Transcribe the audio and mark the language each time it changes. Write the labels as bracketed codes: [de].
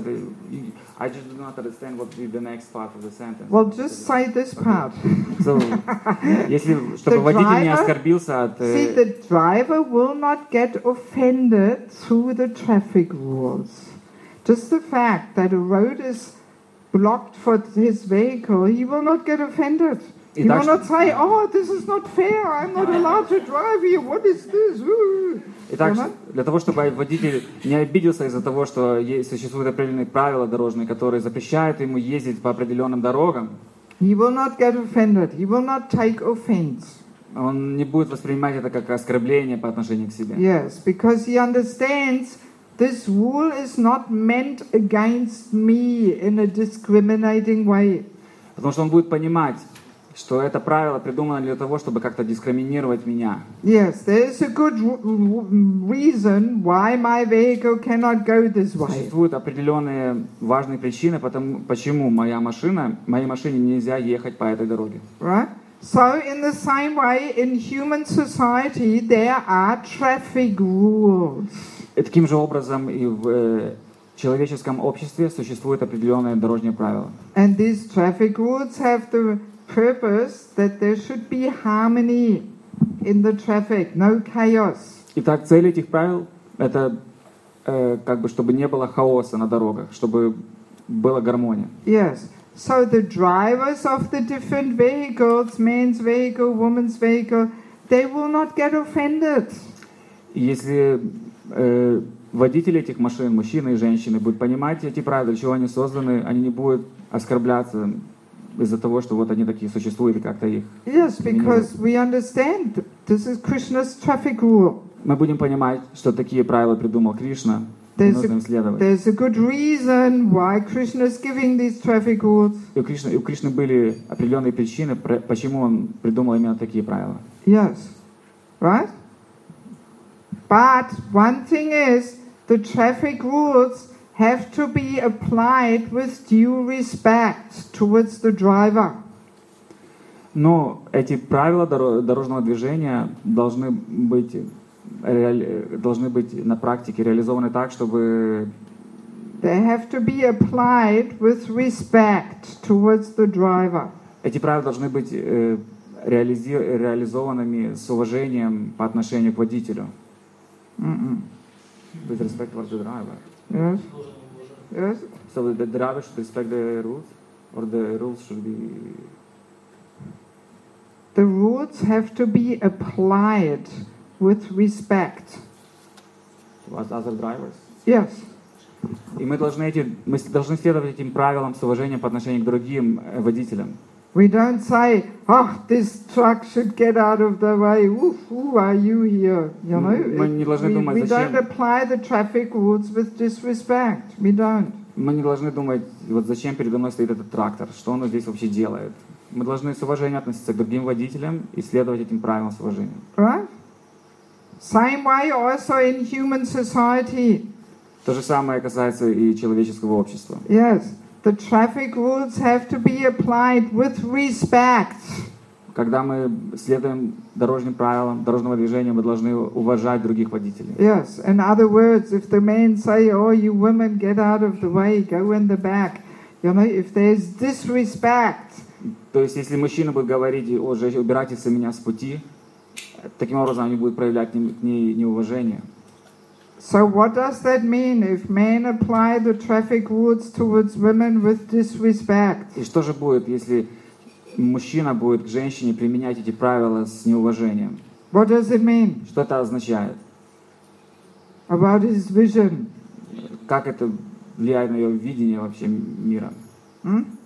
[ru] Ты, [en] I just do not understand what the next part of the sentence. Well, just say this part. So, [ru] если, чтобы водитель не оскорбился от... [en] See, the driver will not get offended through the traffic rules. Just the fact that a road is blocked for his vehicle, he will not get offended. He will not say, oh, this is not fair, I'm not allowed to drive here, what is this? [ru] Итак, для того, чтобы водитель не обиделся из-за того, что есть, существуют определенные правила дорожные, которые запрещают ему ездить по определенным дорогам, [en] he will not get offended. He will not take offense. [ru] Он не будет воспринимать это как оскорбление по отношению к себе. [en] Yes, because he understands this rule is not meant against me in a discriminating way. [ru] Потому что он будет понимать, что это правило придумано для того, чтобы как-то дискриминировать меня. [en] Yes, there is a good reason why my vehicle cannot go this way. [ru] Существуют определенные важные причины, почему моя машина, моей машине нельзя ехать по этой дороге. [en] Right? So in the same way, in human society, there are traffic rules. [ru] И таким же образом и в В человеческом обществе существуют определенные дорожные правила. [en] And these traffic rules have the purpose that there should be harmony in the traffic, no chaos. [ru] Итак, цель этих правил — это как бы чтобы не было хаоса на дорогах, чтобы была гармония. [en] Yes. So the drivers of the different vehicles, man's vehicle, woman's vehicle, they will not get offended. [ru] Если водители этих машин, мужчины и женщины, будут понимать эти правила, для чего они созданы, они не будут оскорбляться из-за того, что вот они такие существуют, как-то их... [en] Yes, because we understand this is Krishna's traffic rule. [ru] Мы будем понимать, что такие правила придумал Кришна, [en] there's [ru] и нужно им следовать. [en] There's a good reason why Krishna is giving these traffic rules. [ru] И у Кришны были определенные причины, почему он придумал именно такие правила. [en] Yes, right? But one thing is, the traffic rules have to be applied with due respect towards the driver. [ru] Но эти правила дорожного движения должны быть на практике реализованы так, чтобы... [en] They have to be applied with respect towards the driver. [ru] Эти правила должны быть реализованными с уважением по отношению к водителю. Mm-mm. [en] With respect towards the driver. Yes. Yes. So the driver should respect the rules, or the rules should be. The rules have to be applied with respect. Towards other drivers. Yes. [ru] И мы должны следовать этим правилам с уважением по отношению к другим водителям. [en] We don't say, oh, this truck should get out of the way. Oof, who are you here? You know, we don't apply the traffic rules with disrespect. We don't. [ru] Мы не должны думать, вот зачем передо мной стоит этот трактор, что он здесь вообще делает. Мы должны с уважением относиться к другим водителям и следовать этим правилам с уважением. [en] Right? Same way also in human society. [ru] То же самое касается и человеческого общества. [en] Yes. The traffic rules have to be applied with respect. [ru] Когда мы следуем дорожным правилам дорожного движения, мы должны уважать других водителей. [en] Yes. In other words, if the men say, "Oh, you women, get out of the way, go in the back," you know, if there is disrespect. [ru] То есть, если мужчина будет говорить, "О, женщина, убирайтесь со меня с пути," таким образом они будут проявлять к ней неуважение. [en] So what does that mean if men apply the traffic rules towards women with disrespect? [ru] И что же будет, если мужчина будет к женщине применять эти правила с неуважением? [en] What does it mean? [ru] Что это означает? [en] About his vision. [ru] Как это влияет на его видение вообще мира? Hmm?